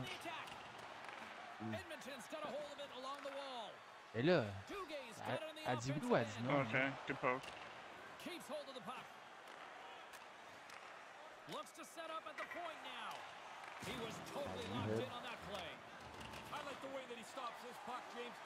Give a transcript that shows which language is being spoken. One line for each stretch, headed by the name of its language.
English: Edmonton's got a hold of it along the wall.
French: Et là, a dit oui ou a dit non?
English: Ok, good poke. Keeps hold of the puck. Looks to set up at the point now. He was totally locked in on that play. I like the way that he stops this puck, James.